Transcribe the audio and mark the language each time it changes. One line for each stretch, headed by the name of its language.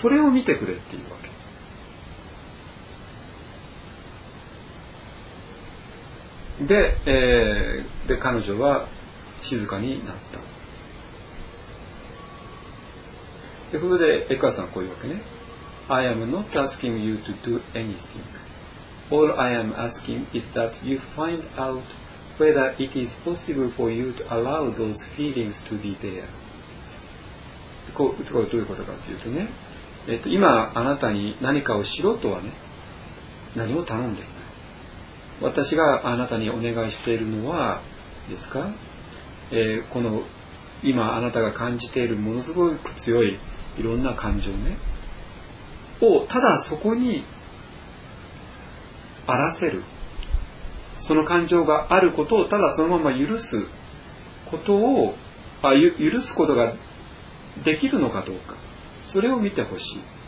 Japanese: それを見てくれっていうわけ。で、で彼女は静かになった。ということでエクアさんはこういうわけね。
English: I am not asking you to do anything. All I am asking is that you find out whether it is possible for you to allow those feelings to be there.
Japanese: これどういうことかというとね。今あなたに何かをしろとはね、何も頼んでいない。私があなたにお願いしているのはですか、この今あなたが感じているものすごく強いいろんな感情ね、をただそこに荒らせる、その感情があることをただそのまま許すことを、許すことができるのかどうか、それを見てほしい。